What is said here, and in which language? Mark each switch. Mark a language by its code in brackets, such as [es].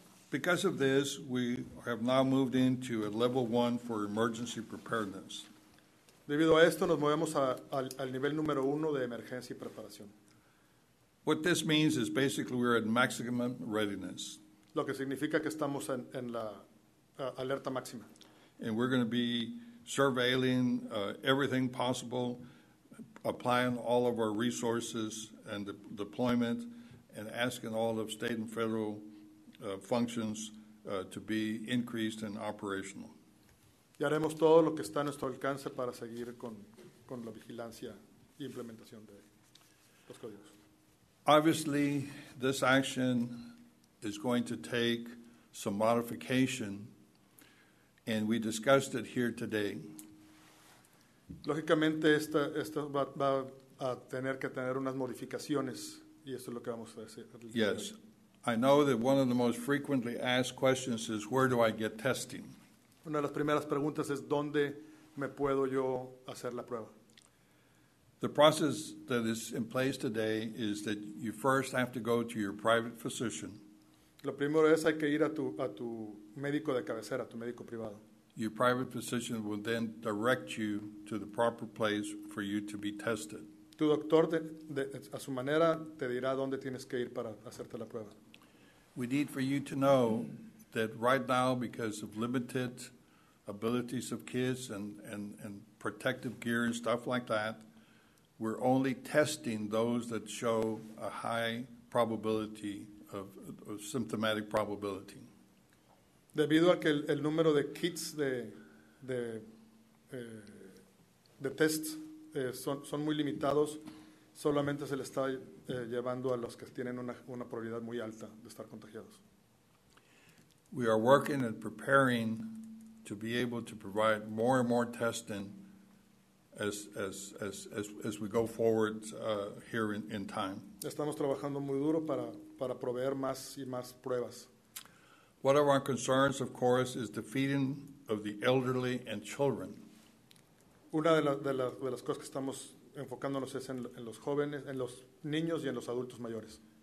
[en] Because of this, we have now moved into a level one for emergency preparedness. [es] Debido a esto, nos movemos al nivel número uno de emergencia y preparación. [en] What this means is basically we're at maximum readiness. [es] Lo que significa que estamos en la alerta máxima. [en] And we're going to be surveilling everything possible, applying all of our resources and deployment, and asking all of state and federal functions to be increased and operational. [es] Y haremos todo lo que está a nuestro alcance para seguir con la vigilancia y implementación de los códigos. [en] Obviously, this action is going to take some modification, and we discussed it here today. [es] Lógicamente, esto va a tener que tener unas modificaciones, y esto es lo que vamos a hacer. [en] Yes. I know that one of the most frequently asked questions is, where do I get testing? [es] Una de las primeras preguntas es, ¿dónde me puedo yo hacer la prueba? [en] The process that is in place today is that you first have to go to your private physician. [es] Lo primero es, hay que ir a tu médico de cabecera, tu médico privado. [en] Your private physician will then direct you to the proper place for you to be tested. [es] Tu doctor, a su manera, te dirá dónde tienes que ir para hacerte la prueba. [en] We need for you to know that right now, because of limited abilities of kids and protective gear and stuff like that, we're only testing those that show a high probability of symptomatic probability. [es] Debido a que el número de kits de tests son muy limitados, solamente se le está llevando a los que tienen una probabilidad muy alta de estar contagiados. [en] We are working and preparing to be able to provide more and more testing as we go forward here in time. [es] Estamos trabajando muy duro para proveer más y más pruebas. [en] One of our concerns, of course, is the feeding of the elderly and children. [es] Una de las cosas que estamos enfocándonos es en los jóvenes, en los niños y en los adultos mayores.